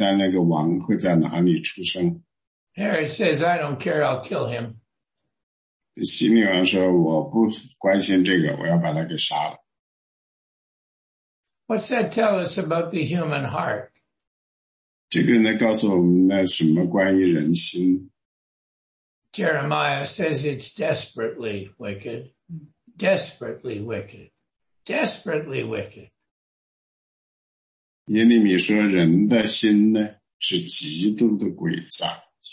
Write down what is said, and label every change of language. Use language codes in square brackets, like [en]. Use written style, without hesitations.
[zh] 所以呢，在旧约时代的那些学者呢，告诉了他们，就是说那个将要来的那个王会在哪里出生。 [en] Herod says, I don't care, I'll kill him. [zh] 希律王说，我不关心这个，我要把他给杀了。 [en] What's that tell us about the human heart? [zh] 这个呢，告诉我们那什么关于人心？ [en] Jeremiah says it's desperately wicked, desperately wicked, desperately wicked. [zh] 耶利米说人的心呢是极度的诡诈。